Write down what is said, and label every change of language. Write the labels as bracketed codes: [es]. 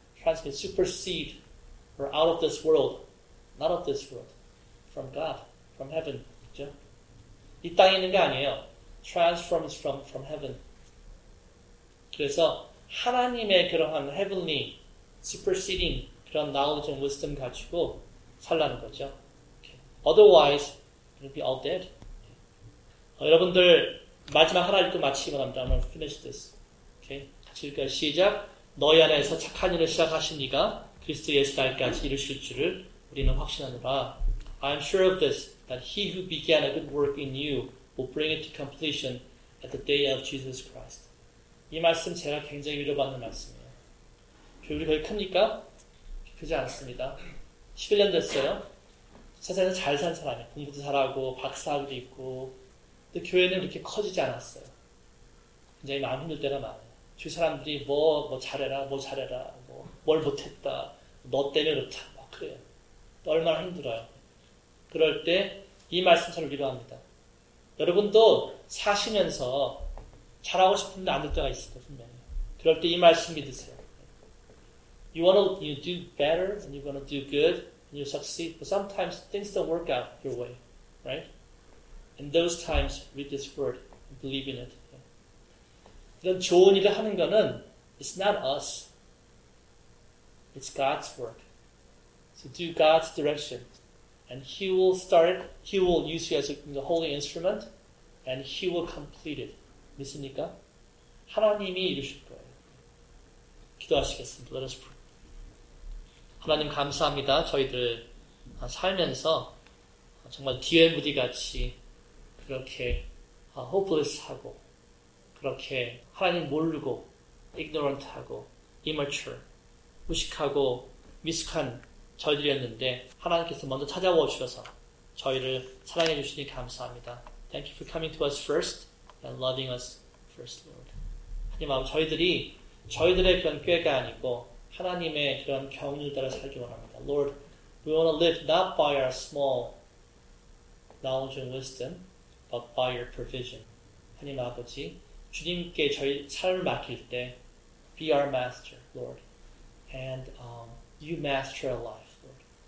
[en] Trans means supersede or out of this world. Not of this world. From God. From heaven. 그죠? [ko] 이 땅에 있는 게 아니에요. [en] Transform is from heaven. [ko] 그래서 하나님의 그러한 [en] heavenly superseding [ko] 그런 [en] knowledge and wisdom [ko] 가지고 살라는 거죠. [en] Okay. Otherwise, we'll be all dead. Okay. [ko] 여러분들 마지막 하나 읽고 마치기 바랍니다. [en] I'm going to finish this. Okay. [ko] 같이 읽을까요? 시작! 너희 안에서 착한 일을 시작하신 이가 그리스도 예수 날까지 이루실 줄을 우리는 확신하느라. [en] I am sure of this, that he who began a good work in you will bring it to completion at the day of Jesus Christ. [ko] 이 말씀 제가 굉장히 위로받는 말씀이에요. 교육이 거의 큽니까? 크지 않습니다. 11년 됐어요. 세상에서 잘 산 사람이에요. 공부도 잘하고 박사학위도 있고. 근데 교회는 그렇게 커지지 않았어요. 굉장히 마음 힘들 때가 많아요. 주위 사람들이 뭐 잘해라, 뭐 뭘 못했다, 너 때문에 그렇다, 막 그래요. 얼마나 힘들어요. 그럴 때 이 말씀 저를 위로합니다. 여러분도 사시면서 잘하고 싶은데 안 될 때가 있을 거예요, 분명히. 그럴 때 이 말씀 믿으세요. [en] You do better, and you're gonna do good, and you succeed, but sometimes things don't work out your way, right? In those times, read this word, and believe in it. [ko] 이런 좋은 일을 하는 거는, [en] it's not us. It's God's work. So do God's direction. And He will start it, He will use you as a holy instrument, and He will complete it. [ko] 믿습니까? 하나님이 이루실 거예요. 기도하시겠습니다. [en] Let us pray. [ko] 하나님 감사합니다. 저희들 살면서 정말 DMD같이 그렇게 hopeless하고 그렇게 하나님 모르고 ignorant하고 immature, 무식하고 미숙한 저희들이었는데 하나님께서 먼저 찾아와 주셔서 저희를 사랑해 주시니 감사합니다. [en] Thank you for coming to us first and loving us first, Lord. [ko] 하나님 아버지, 저희들이 저희들의 그런 꾀가 아니고 하나님의 그런 경륜을 따라 살기 원합니다. [en] Lord, we want to live not by our small knowledge and wisdom, but by your provision. [ko] 하나님 아버지, 주님께 저희 삶을 맡길 때 [en] be our master, Lord. And you master our life, Lord.